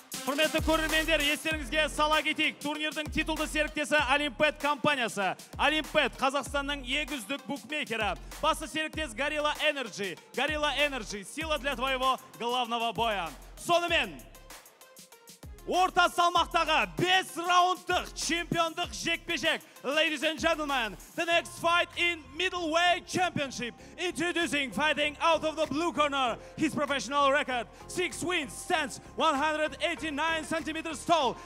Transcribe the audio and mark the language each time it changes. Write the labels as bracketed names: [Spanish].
[Kazakh] Құрметті көрермендер, естеріңізге сала кетейік. Турнирдің титулды серіктесі Олимпет компаниясы. Олимпет Қазақстанның ең үздік букмекері. Басты серіктес Горилла Энерджи. [Russian] Горилла Энерджи – сила для твоего главного боя. [Kazakh] Сонымен орта салмақтағы 5 раундтық чемпиондық жекпе-жек. [English] Ladies and gentlemen, the next fight in middleweight championship. Introducing fighting out of the blue corner. His professional record, 6 wins, stands 189 centimeters tall.